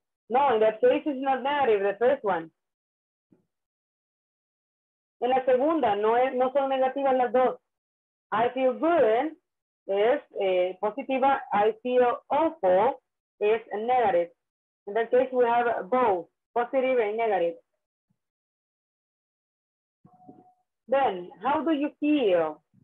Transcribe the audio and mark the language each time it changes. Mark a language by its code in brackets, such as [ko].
[en] No, in that case, it's not negative, the first one. [es] En la segunda, no, es, no son negativas las dos. [en] I feel good [es] es positiva. [en] I feel awful es negative. In that case, we have both, positive and negative. Then, how do you feel?